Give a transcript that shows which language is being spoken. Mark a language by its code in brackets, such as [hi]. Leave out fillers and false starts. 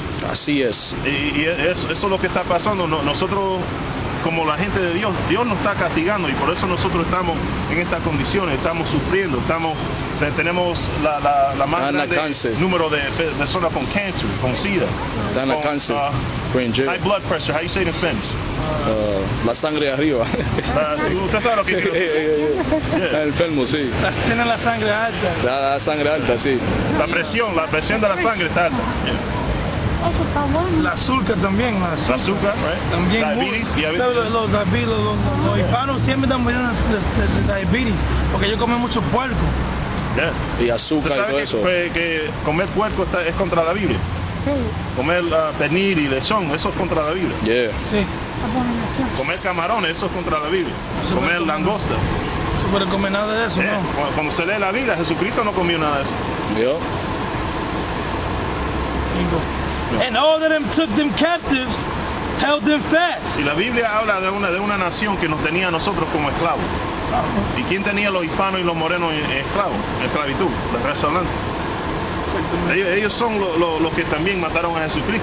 [es] Así es. Y eso es lo que está pasando. Nosotros, como la gente de Dios, Dios nos está castigando y por eso nosotros estamos en estas condiciones, estamos sufriendo, tenemos la más grande número de personas con cáncer, con sida. Están a cáncer. [en] High blood pressure, how you say it in Spanish? [es] La sangre arriba. Usted sabe lo que [en] yeah. [es] Está enfermo, sí. Tienen la sangre alta. La sangre alta, sí. La presión de la sangre está alta. [en] Yeah. [es] La azúcar también. La azúcar, [en] right? [es] También. Diabetes. Los diabetes. Los hispanos siempre están poniendo diabetes. Porque ellos comen mucho puerco. [en] Yeah. [es] Y azúcar y todo eso. ¿Sabes que comer puerco es contra la Biblia? Sí. Comer pernil y lechón, eso es contra la Biblia. [en] Yeah. [es] Sí. Abominación. Comer camarones, eso es contra la Biblia. Comer langosta. No se puede comer nada de eso, [en] yeah. [es] ¿No? Cuando se lee la Biblia, Jesucristo no comió nada de eso. Yo. Cinco. [en] And all of them took them captives, held them fast. [es] Y la Biblia habla de una nación que nos tenía a nosotros como esclavos. ¿Y quién tenía los hispanos y los morenos esclavos? Esclavitud, la raza blanca. Ellos son los que también mataron a Jesucristo.